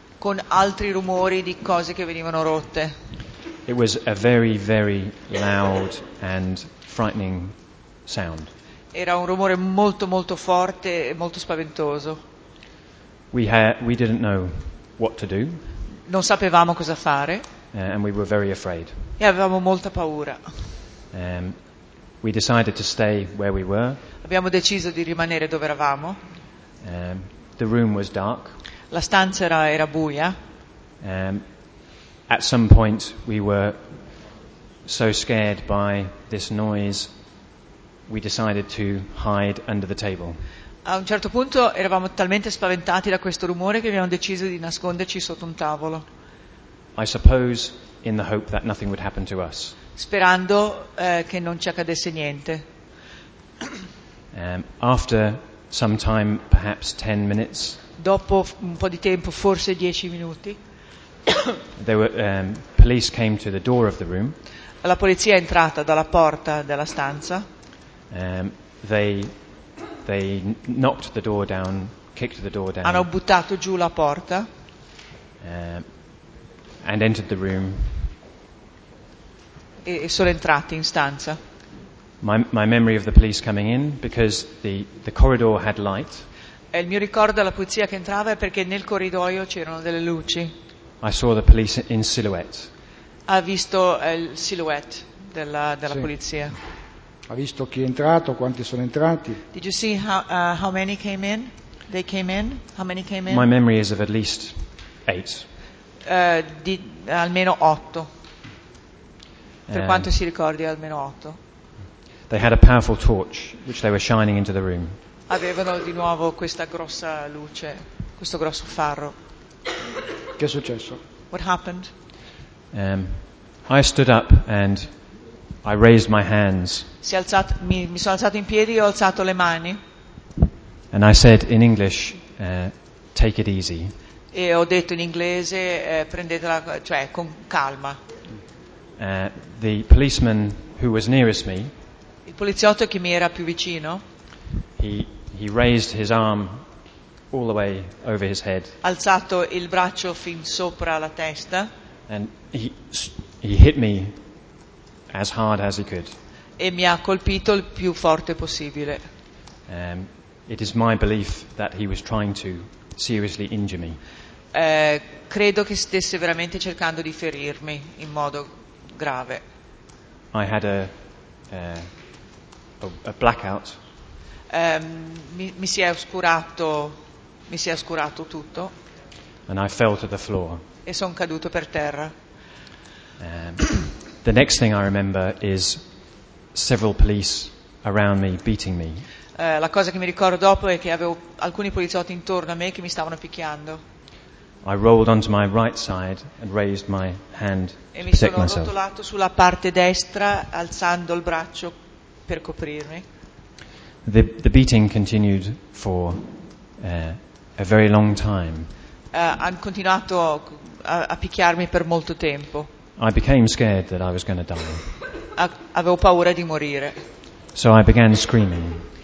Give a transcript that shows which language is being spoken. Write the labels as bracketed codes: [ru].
[it] Con altri rumori di cose che venivano rotte. [en] It was a very, very loud and frightening sound. [it] Era un rumore molto, molto forte e molto spaventoso. [en] We didn't know what to do. [it] Non sapevamo cosa fare. [en] And we were very afraid. [it] E avevamo molta paura. [en] We decided to stay where we were. [it] Abbiamo deciso di rimanere dove eravamo. [en] The room was dark. [it] La stanza era buia. [en] At some point we were so scared by this noise we decided to hide under the table. [it] A un certo punto eravamo talmente spaventati da questo rumore che abbiamo deciso di nasconderci sotto un tavolo. [en] I suppose in the hope that nothing would happen to us. [it] Sperando che non ci accadesse niente. [en] After some time, perhaps 10 minutes. [it] Dopo un po' di tempo, forse 10 minuti. [en] There were police came to the door of the room. [it] La polizia è entrata dalla porta della stanza. [en] They knocked the door down, kicked the door down. [it] Hanno buttato giù la porta. [en] And entered the room. [it] E sono entrati in stanza. [en] My memory of the police coming in because the corridor had light. [it] E il mio ricordo della polizia che entrava è perché nel corridoio c'erano delle luci. [en] I saw the police in silhouette. [it] Ha visto il silhouette della sì. Polizia. Ha visto chi è entrato, quanti sono entrati? [en] Did you see how many came in? They came in? How many came in? My memory is of at least 8. [it] Di almeno 8. Per quanto si ricordi almeno 8. [en] They had a powerful torch which they were shining into the room. [it] Avevano di nuovo questa grossa luce, questo grosso faro. Che è successo? [en] What happened? I stood up and I raised my hands. [it] Mi sono alzato in piedi e ho alzato le mani. [en] And I said in English, take it easy. [it] E ho detto in inglese, prendetela, cioè con calma. [en] The policeman who was nearest me. [it] Il poliziotto che mi era più vicino. [en] He raised his arm. All the way over his head. [it] Alzato il braccio fin sopra la testa. [en] And he hit me as hard as he could. [it] E mi ha colpito il più forte possibile. [en] It is my belief that he was trying to seriously injure me. [it] Credo che stesse veramente cercando di ferirmi in modo grave. [en] I had a blackout. [it] Mi si è oscurato tutto. [en] And I fell to the floor. [it] E son caduto per terra. [en] The next thing I remember is several police around me beating me. [it] La cosa che mi ricordo dopo è che avevo alcuni poliziotti intorno a me che mi stavano picchiando. [en] I rolled onto my right side and raised my hand [it] e [en] to protect myself. [it] E mi sono rotolato sulla parte destra alzando il braccio per coprirmi. [en] The beating continued for a very long time. [it] Hanno continuato a picchiarmi per molto tempo. [en] I became scared that I was going to die. [it] Avevo paura di morire. [en] So I began screaming.